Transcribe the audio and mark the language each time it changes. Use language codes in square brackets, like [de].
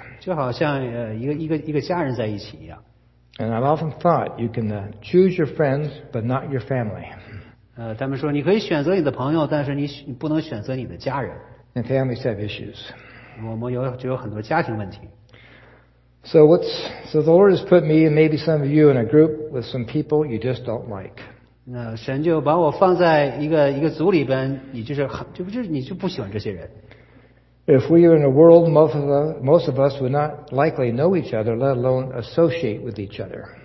[zh] 就好像一个家人在一起一样。 [en] And I've often thought you can choose your friends, but not your family. [zh] 他们说你可以选择你的朋友，但是你不能选择你的家人。 [en] And families have issues. [zh] 我们有很多家庭问题。 [en] So the Lord has put me and maybe some of you in a group with some people you just don't like. [zh] 那神就把我放在一个组里边，你就是很就不喜欢这些人。 [en] If we were in a world, most of us would not likely know each other, let alone associate with each other.